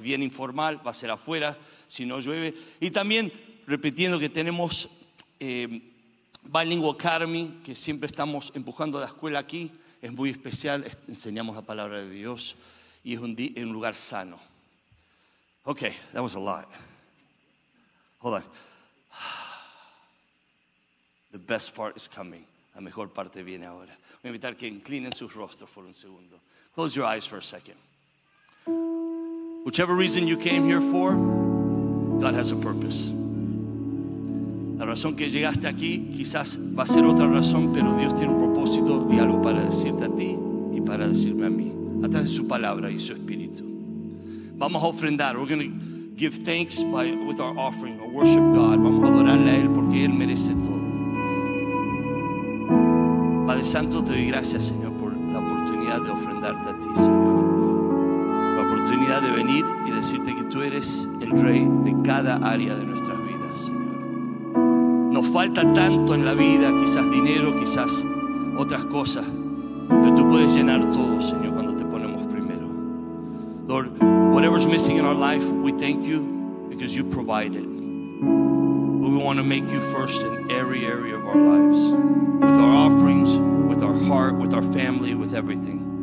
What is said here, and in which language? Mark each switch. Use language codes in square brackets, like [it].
[es] Bien informal, va a ser afuera si no llueve. Y también repitiendo que tenemos Bilingual Academy, que siempre estamos empujando la escuela aquí, es muy especial, enseñamos la palabra de Dios y es un lugar sano. [en] Okay, that was a lot. Hold on. The best part is coming. [es] La mejor parte viene ahora. Voy a invitar que inclinen sus rostros por un segundo. [en] Close your eyes for a second. Whichever reason you came here for, God has a purpose. [es] La razón que llegaste aquí quizás va a ser otra razón, pero Dios tiene un propósito y algo para decirte a ti y para decirme a mí. a través de su palabra y su espíritu. Vamos a ofrendar. [en] We're going to give thanks with our offering, or worship God. [es] Vamos a adorarle a Él porque Él merece todo. Padre Santo, te doy gracias, Señor, por la oportunidad de ofrendarte a ti, Señor. La oportunidad de venir y decirte que tú eres el Rey de cada área de nuestras vidas, Señor. Nos falta tanto en la vida, quizás dinero, quizás otras cosas, pero tú puedes llenar todo, Señor, cuando te ponemos primero. [en] Lord, whatever's missing in our life, we thank you because you provide it. But we want to make you first in every area of our lives, with our offerings, with our heart, with our family, with everything.